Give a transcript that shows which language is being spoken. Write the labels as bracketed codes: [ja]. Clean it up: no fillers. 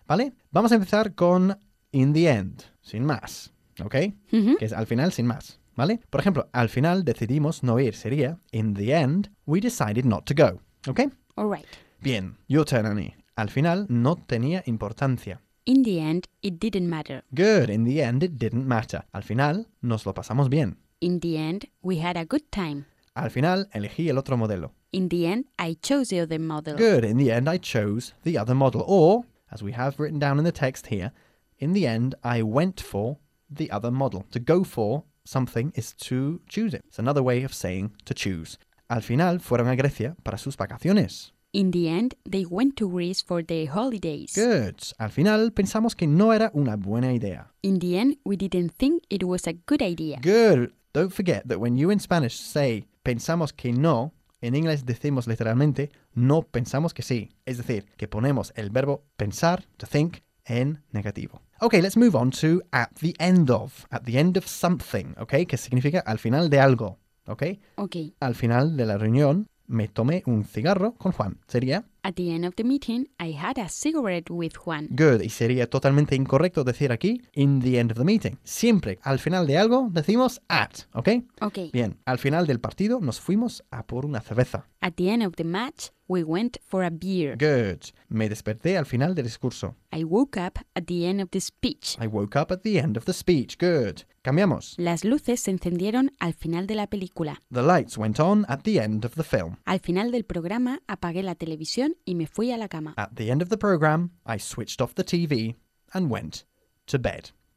[es] ¿Vale? Vamos a empezar con [en] in the end, [es] sin más, okay? Mm-hmm. Que es al final, sin más, ¿vale? Por ejemplo, al final decidimos no ir, sería [en] in the end, we decided not to go, okay? All right. [es] Bien, [en] your turn, Annie. [es] Al final no tenía importancia. [en] In the end, it didn't matter. Good, in the end, it didn't matter. [es] Al final, nos lo pasamos bien. [en] In the end, we had a good time. [es] Al final, elegí el otro modelo. [en] In the end, I chose the other model. Good, in the end, I chose the other model. Or, as we have written down in the text here, in the end, I went for the other model. To go for something is to choose it. It's another way of saying to choose. [es] Al final, fueron a Grecia para sus vacaciones. [en] In the end, they went to Greece for their holidays. Good. [es] Al final, pensamos que no era una buena idea. [en] In the end, we didn't think it was a good idea. Good. Don't forget that when you in Spanish say [es] pensamos que no, [en] in English [es] decimos literalmente no pensamos que sí. Es decir, que ponemos el verbo pensar, [en] to think, [es] en negativo. [en] Okay, let's move on to at the end of something, okay? [es] Que significa al final de algo, okay? [en] Okay. [es] Al final de la reunión, me tomé un cigarro con Juan. Sería... [en] At the end of the meeting, I had a cigarette with Juan. Good. [es] Y sería totalmente incorrecto decir aquí, [en] in the end of the meeting. [es] Siempre, al final de algo, decimos at, ¿ok? [en] Ok. [es] Bien. Al final del partido, nos fuimos a por una cerveza. [en] At the end of the match, we went for a beer. Good. [es] Me desperté al final del discurso. [en] I woke up at the end of the speech. I woke up at the end of the speech. Good. [es] Cambiamos. Las luces se encendieron al final de la película. [en] The lights went on at the end of the film. [es] Al final del programa, apagué la televisión y me fui a la cama. [en] At the end of the program, I switched off the TV and went to bed.